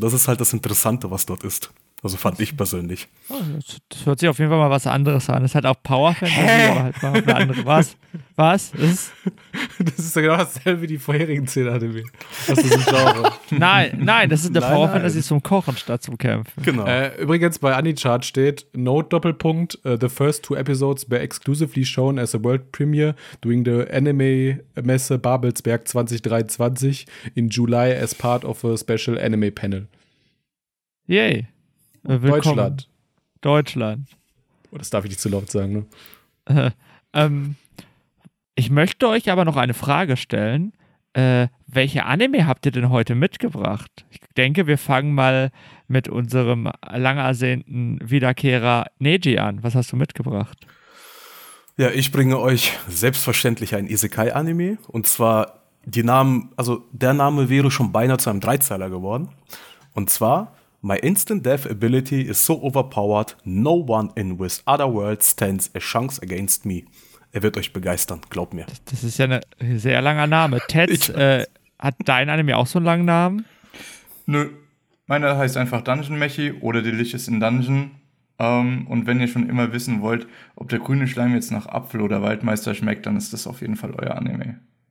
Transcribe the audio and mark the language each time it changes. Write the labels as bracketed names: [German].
[German] Und das ist halt das Interessante, was dort ist. Also fand ich persönlich. Das hört sich auf jeden Fall mal was anderes an. Das ist halt auch Power-Fantasy, aber halt mal eine andere. Was? Was? Das ist ja genau dasselbe wie die vorherigen 10 Anime. Das ist ein Genre. Nein, das ist eine Power-Fantasy zum Kochen statt zum Kämpfen. Genau. Übrigens, bei Anichart steht, [English] Note:, the first two episodes were exclusively shown as a world premiere during the Anime-Messe Babelsberg 2023 in July as part of a special Anime-Panel. Yay. [German] Deutschland. Oh, das darf ich nicht zu laut sagen, ne? Ich möchte euch aber noch eine Frage stellen. Welche Anime habt ihr denn heute mitgebracht? Ich denke, wir fangen mal mit unserem lang ersehnten Wiederkehrer Neji an. Was hast du mitgebracht? Ja, ich bringe euch selbstverständlich ein Isekai-Anime. Und zwar die Namen, also der Name wäre schon beinahe zu einem Dreizeiler geworden. Und zwar, [English] my instant death ability is so overpowered, no one in this other world stands a chance against me. [German] Er wird euch begeistern, glaubt mir. Das ist ja ein sehr langer Name. Ted, hat dein Anime auch so einen langen Namen? Nö. Meiner heißt einfach Dungeon Mechi oder Delicious in Dungeon. Und wenn ihr schon immer wissen wollt, ob der grüne Schleim jetzt nach Apfel oder Waldmeister schmeckt, dann ist das auf jeden Fall euer Anime.